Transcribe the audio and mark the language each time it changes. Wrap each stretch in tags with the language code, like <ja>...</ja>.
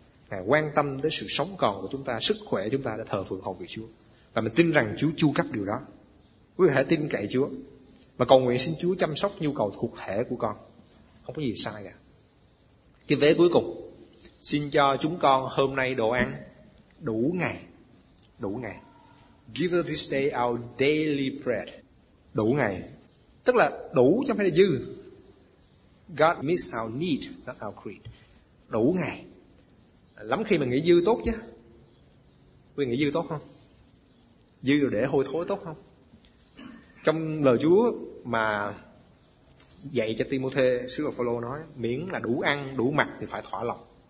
<vi>Ngài quan tâm đến sự sống còn của chúng ta, sức khỏe chúng ta để thờ phượng hầu việc Chúa. Và mình tin rằng Chúa chu cấp điều đó. Quý vị hãy tin cậy Chúa và cầu nguyện xin Chúa chăm sóc nhu cầu thuộc thể của con. Không có gì sai cả. Cái vế cuối cùng, xin cho chúng con hôm nay đồ ăn đủ ngày. Đủ ngày.</vi> <en>Give us this day our daily bread.</en> <vi>Đủ ngày. Tức là đủ chứ không phải là dư.</vi> <en>God meets our need, not our greed.</en> <vi>Đủ ngày. Lắm khi mà nghĩ dư tốt chứ. Quý vị nghĩ dư tốt không? Dư rồi để hôi thối tốt không? Trong lời Chúa mà dạy cho Timothy, sứ đồ Phaolô nói, miễn là đủ ăn, đủ mặc thì phải thỏa lòng.</vi>